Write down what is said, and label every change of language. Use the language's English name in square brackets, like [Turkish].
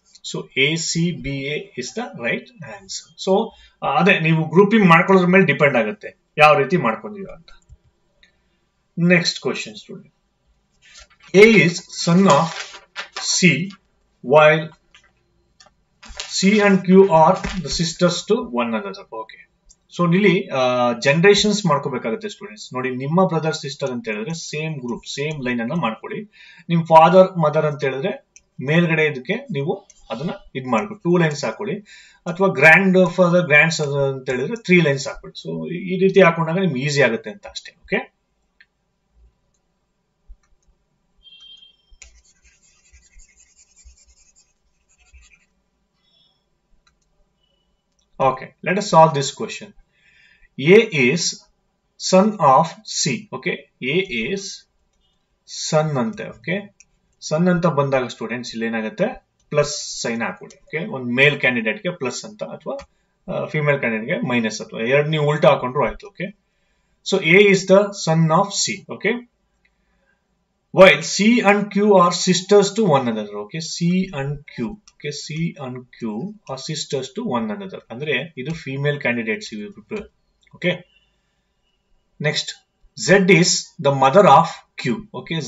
[English] So A, C, B, A is the right answer. [Kannada] So ಅದೇ ನೀವು grouping ಮಾಡ್ಕೊಳ್ಳೋದ್ರ ಮೇಲೆ depend ಆಗುತ್ತೆ ಯಾವ ರೀತಿ ಮಾಡ್ಕೊಂಡಿದ್ರು ಅಂತ. [English] Next question student, A is son of C while C and Q are the sisters to one another. Okay. [Kannada] So ಇಲ್ಲಿ generations ಮಾಡ್ಕೋಬೇಕಾಗುತ್ತೆ ಸ್ಟೂಡೆಂಟ್ಸ್. ನೋಡಿ, ನಿಮ್ಮ ಬ್ರದರ್ ಸಿಸ್ಟರ್ ಅಂತ ಹೇಳಿದ್ರೆ ಸೇಮ್ ಗ್ರೂಪ್ ಸೇಮ್ ಲೈನ್ ಅನ್ನ ಮಾಡ್ಕೊಳ್ಳಿ. ನಿಮ್ ಫಾದರ್ ಮದರ್ ಅಂತ ಹೇಳಿದ್ರೆ ಮೇಲ್ಗಡೆ ಇದಕ್ಕೆ ನೀವು ಅದನ್ನ ಇದ್ ಮಾಡ್ಕೊಳ್ಳಿ, ಟೂ ಲೈನ್ಸ್ ಹಾಕೊಳ್ಳಿ. ಅಥವಾ ಗ್ರ್ಯಾಂಡ್ ಫಾದರ್ ಗ್ರ್ಯಾಂಡ್ ಸನ್ ಅಂತ ಹೇಳಿದ್ರೆ ತ್ರೀ ಲೈನ್ಸ್ ಹಾಕೊಳ್ಳಿ. ಸೊ ಈ ರೀತಿ ಹಾಕೊಂಡಾಗ ನಿಮ್ಗೆ ಈಸಿ ಆಗುತ್ತೆ ಅಂತ ಅಷ್ಟೇ. [English] Okay, okay, let us solve this question. A is son of C. Okay. A is son ಅಂತೆ. Okay. [Kannada] Son ಅಂತ ಬಂದಾಗ ಸ್ಟೂಡೆಂಟ್ಸ್ ಇಲ್ಲಿ ಏನಾಗುತ್ತೆ, ಪ್ಲಸ್ ಸೈನ್ ಹಾಕೊಳ್ಳಿ. ಓಕೆ, ಒಂದ್ ಮೇಲ್ ಕ್ಯಾಂಡಿಡೇಟ್ಗೆ ಪ್ಲಸ್ ಅಂತ, ಅಥವಾ ಫಿಮೇಲ್ ಕ್ಯಾಂಡಿಡೇಟ್ಗೆ ಮೈನಸ್, ಅಥವಾ ಎರಡ್ ನೀವು ಉಲ್ಟಾ ಹಾಕೊಂಡ್ರು ಆಯ್ತು. [English] Okay, so A is the son of C. Okay. While C and Q are sisters to one another. Okay. C and Q. Okay. C and Q are sisters to one another. [Kannada] ಅಂದ್ರೆ ಇದು female candidates ಇವ್ ಬಿಟ್ಟು. [English] Okay, next, Z is the mother of Q. Okay.